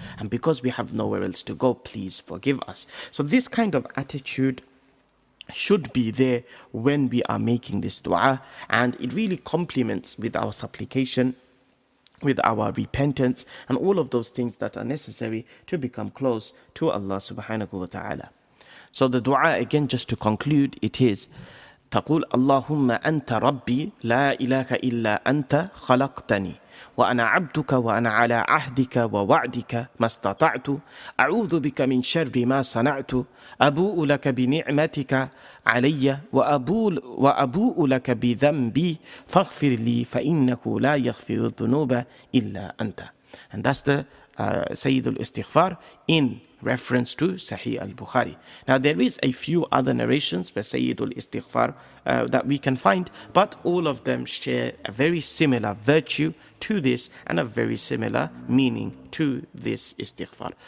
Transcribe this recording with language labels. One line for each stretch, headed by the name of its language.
English: And because we have nowhere else to go, please forgive us. So this kind of attitude should be there when we are making this dua. And it really complements with our supplication, with our repentance, and all of those things that are necessary to become close to Allah subhanahu wa ta'ala. So the dua, again, just to conclude, it is,
Arabic: تقول اللهم أنت ربي لا إله إلا أنت خلقتني وأنا عبدك وأنا على عهدك ووعدك ما استطعت أعوذ بك من شر ما صنعت أبوء لك بنعمتك علي وأبوء لك بذنبي فاغفر لي فإنك لا يغفر الذنوب إلا أنت.
English: And that's the سيد الاستغفار in reference to Sahih al-Bukhari. Now, there is a few other narrations by Sayyid al-Istighfar that we can find, but all of them share a very similar virtue to this and a very similar meaning to this istighfar.